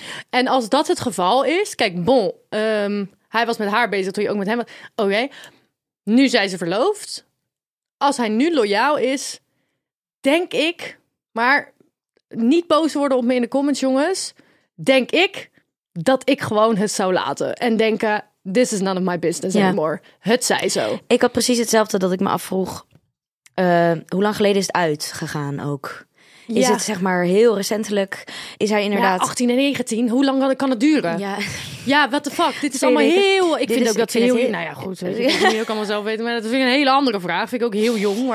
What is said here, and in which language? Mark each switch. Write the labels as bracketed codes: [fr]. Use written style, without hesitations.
[nl] En als dat het geval is, kijk, bon, hij was met haar bezig toen je ook met hem was. Oké, okay. Nu zijn ze verloofd. Als hij nu loyaal is, denk ik, maar niet boos worden op me in de comments, jongens. Denk ik dat ik gewoon het zou laten. En denken, [en] this is none of my business anymore. [nl] Het zij zo. Ik had precies hetzelfde dat ik me afvroeg. Hoe lang geleden is het uitgegaan ook? Ja. Is het zeg maar heel recentelijk? Is hij inderdaad... Ja, 18 en 19. Hoe lang kan het duren? Ja, ja, what the fuck? Dit is allemaal heel... Ik vind ook dat ze heel... Nou ja, goed. Ik kan het allemaal zelf weten. Maar dat vind ik een hele andere vraag. Vind ik ook heel jong, hoor.